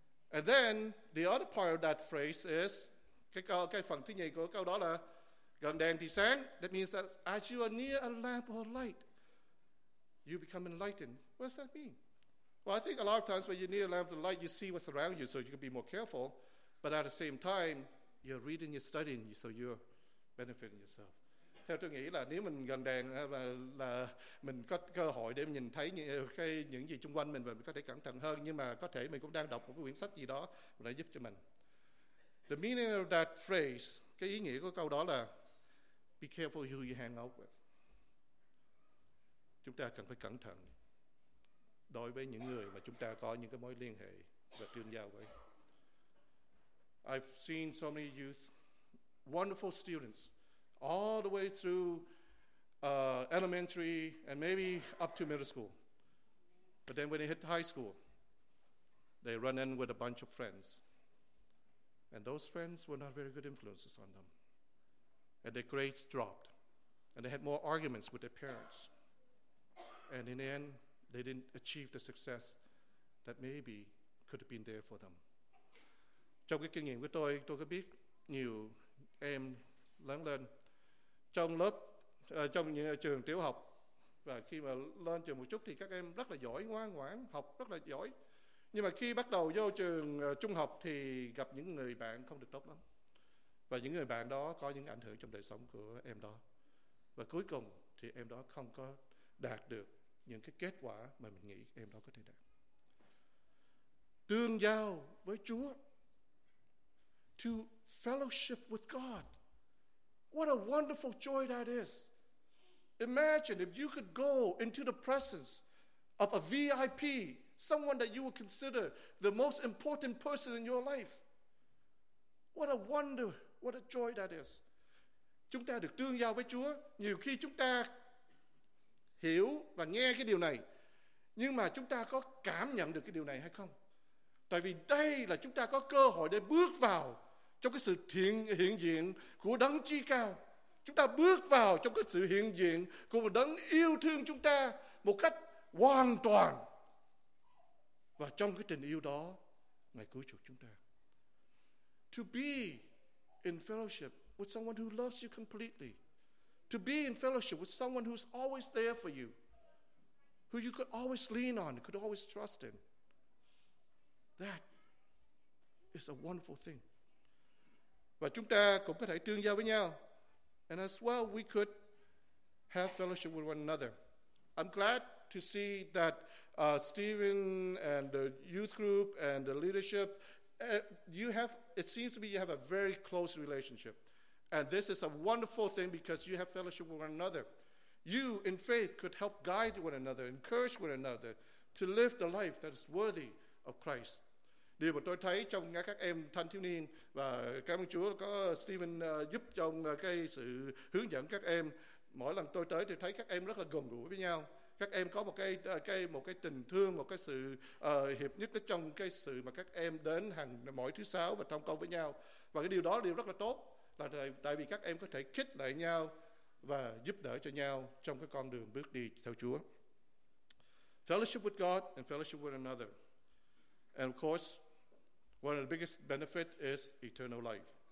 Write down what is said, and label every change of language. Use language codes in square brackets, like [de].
[en] And then the other part of that phrase is [vi] cái phần thứ nhì của câu đó là gần đèn thì sáng. [en] That means that as you are near a lamp or light, you become enlightened. What does that mean? Well, I think a lot of times when you're near a lamp or light, you see what's around you so you can be more careful. But at the same time, you're reading, you're studying, so you're benefiting yourself. [vi] Theo tôi nghĩ là nếu mình gần đèn là mình có cơ hội để nhìn thấy những gì xung quanh mình và mình có thể cẩn thận hơn. Nhưng mà có thể mình cũng đang đọc một cái quyển sách gì đó để giúp cho mình. [en] The meaning of that phrase, [vi] cái ý nghĩa của câu đó là [en] be careful who you hang out with. [vi] Chúng ta cần phải cẩn thận đối với những người mà chúng ta có những cái mối liên hệ và tương giao với. [en] I've seen so many youth, wonderful students, all the way through elementary and maybe up to middle school. But then when they hit high school, they run in with a bunch of friends. And those friends were not very good influences on them. And their grades dropped. And they had more arguments with their parents. And in the end, they didn't achieve the success that maybe could have been there for them. [vi] Trong cái kinh nghiệm của tôi có biết nhiều em lớn lên trong lớp, trong những trường tiểu học. Và khi mà lên trường một chút thì các em rất là giỏi, ngoan ngoãn, học rất là giỏi. Nhưng mà khi bắt đầu vô trường trung học thì gặp những người bạn không được tốt lắm. Và những người bạn đó có những ảnh hưởng trong đời sống của em đó. Và cuối cùng thì em đó không có đạt được những cái kết quả mà mình nghĩ em đó có thể đạt. Tương giao với Chúa. [en] To fellowship with God. What a wonderful joy that is. Imagine if you could go into the presence of a VIP, someone that you would consider the most important person in your life. What a wonder, what a joy that is. [vi] Chúng ta được tương giao với Chúa. Nhiều khi chúng ta hiểu và nghe cái điều này, nhưng mà chúng ta có cảm nhận được cái điều này hay không? Tại vì đây là chúng ta có cơ hội để bước vào trong cái sự hiện diện của Đấng Chí Cao. Chúng ta bước vào trong cái sự hiện diện của một Đấng yêu thương chúng ta một cách hoàn toàn. Và trong cái tình yêu đó, Ngài cứu chuộc chúng ta. [en] To be in fellowship with someone who loves you completely. To be in fellowship with someone who's always there for you. Who you could always lean on, could always trust in. That is a wonderful thing. [vi] Và chúng ta cũng có thể tương giao với nhau. [en] And as well, we could have fellowship with one another. I'm glad to see that Stephen and the youth group and the leadership, you have a very close relationship. And this is a wonderful thing because you have fellowship with one another. You, in faith, could help guide one another, encourage one another to live the life that is worthy of Christ. [vi] Điều mà tôi thấy trong các em thanh thiếu niên, và cảm ơn Chúa có Stephen giúp trong cái sự hướng dẫn các em. Mỗi lần tôi tới thì thấy các em rất là gần gũi với nhau. Các em có một cái tình thương, một cái sự hiệp nhất trong cái sự mà các em đến hàng mỗi thứ sáu và thông công với nhau. Và cái điều đó là điều rất là tốt, là tại vì các em có thể khích lại nhau và giúp đỡ cho nhau trong cái con đường bước đi theo Chúa. [en] Fellowship with God and fellowship with another. And of course, one of the biggest benefits is eternal life.